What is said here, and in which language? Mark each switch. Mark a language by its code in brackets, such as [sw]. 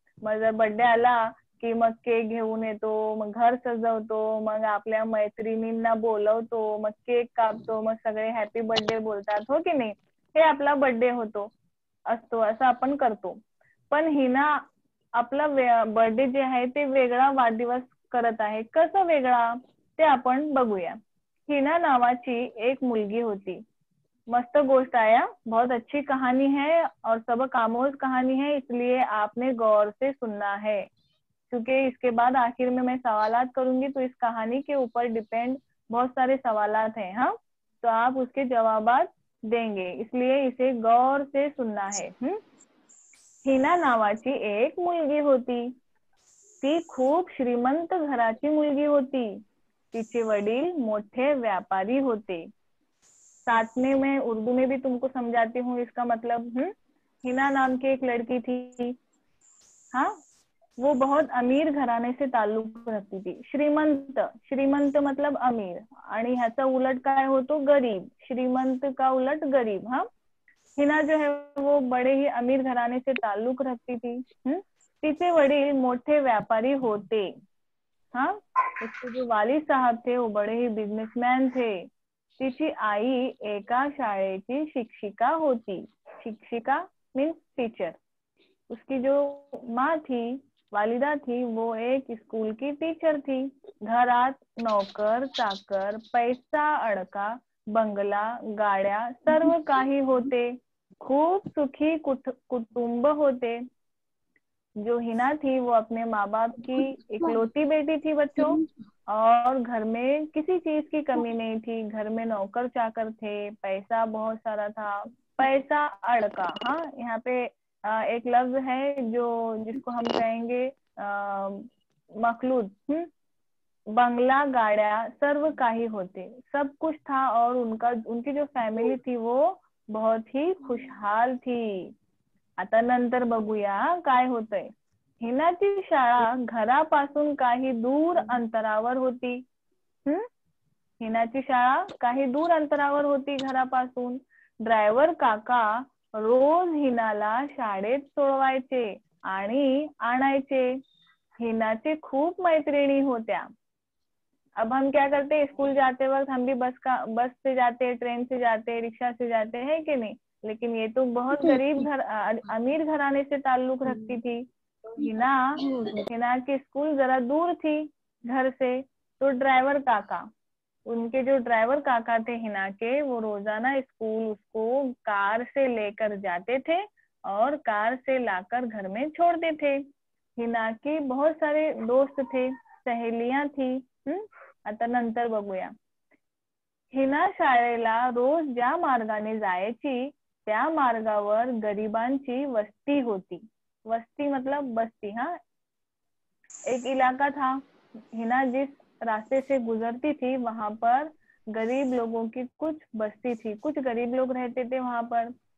[mr] मग जर बर्थडे आला की मग केक घेऊन येतो, मग घर सजवतो, मग आपल्या मैत्रिणींना बोलवतो, मग केक कापतो, मग सगळे हॅपी बर्थडे बोलतात, हो की नाही? हे आपला बर्थडे होतो असतो असं आपण करतो। पण हिना आपला बर्थडे जे आहे ते वेगळा वाढदिवस करत आहे, कसं वेगळा ते आपण बघूया। हिना नावाची एक मुलगी होती, मस्त गोष्ट [hi] आया, बहुत अच्छी कहानी है और सब कामोज कहानी है, इसलिए आपने गौर से सुनना है, क्योंकि इसके बाद आखिर में मैं सवालात करूंगी, तो इस कहानी के ऊपर डिपेंड बहुत सारे सवालात हैं, हाँ तो आप उसके जवाबात देंगे, इसलिए इसे गौर से सुनना है। [mr] हिना नावाची एक मुलगी होती, ती खूप श्रीमंत घराची मुलगी होती, तिचे वडील मोठे व्यापारी होते। [hi] साथ में मैं उर्दू में भी तुमको समझाती हूँ इसका मतलब। हिना नाम की एक लड़की थी, हाँ वो बहुत अमीर घराने से ताल्लुक रखती थी, श्रीमंत, श्रीमंत मतलब अमीर, [mr] आणि ह्याचा उलट काय होतो, गरीब, [hi] श्रीमंत का उलट गरीब। हा हिना जो है वो बड़े ही अमीर घराने से ताल्लुक रखती थी, [mr] तिचे वडील मोठे व्यापारी होते। [hi] हा उसके जो वाली साहब थे वो बड़े ही बिजनेसमैन थे। [mr] तिची आई एका शाळेची शिक्षिका होती, शिक्षिका मीन्स टीचर। [hi] उसकी जो माँ थी, वालिदा थी, वो एक स्कूल की टीचर थी। [mr] घरात नौकर चाकर, पैसा अड़का, बंगला, गाड़िया, सर्व काही होते, खूब सुखी कुटुंब होते। [hi] जो हिना थी वो अपने माँ बाप की इकलौती बेटी थी बच्चों, और घर में किसी चीज की कमी नहीं थी, घर में नौकर चाकर थे, पैसा बहुत सारा था, पैसा अड़का। हाँ यहाँ पे एक लफ्ज है जो जिसको हम कहेंगे मखलूद, बंगला गाड़िया [mr] सर्व काही होते, [hi] सब कुछ था, और उनका उनकी जो फैमिली थी वो बहुत ही खुशहाल थी। [mr] आता नंतर बघूया काय होतंय। हिनाची शाळा घरापासून काही दूर अंतरावर होती, हिनाची शाळा काही दूर अंतरावर होती घरापासून। ड्रायव्हर काका रोज हिनाला शाळेत सोडवायचे आणि आणायचे। हिनाचे खूप मैत्रिणी होत्या। [hi] अब हम क्या करते, स्कूल जाते वक्त हम भी बस से जाते, ट्रेन से जाते, रिक्शा से जाते हैं कि नहीं? लेकिन ये तो बहुत गरीब घर, अमीर घराने से ताल्लुक रखती थी। हिना की स्कूल जरा दूर थी घर से, तो ड्राइवर काका, उनके जो ड्राइवर काका थे हिना के, वो रोजाना स्कूल उसको कार से लेकर जाते थे और कार से लाकर घर में छोड़ते थे। हिना के बहुत सारे दोस्त थे, सहेलियां थी। [mr] आता नंतर बघूया। हिना शाळेला रोज ज्या मार्गाने जायची, त्या मार्गावर गरिबांची वस्ती होती। [hi] वस्ती मतलब बस्ती, हा एक इलाका था। हिना जिस रास्ते से गुजरती थी वहां पर गरीब लोगों की कुछ बस्ती थी, कुछ गरीब लोग रहते थे वहां पर।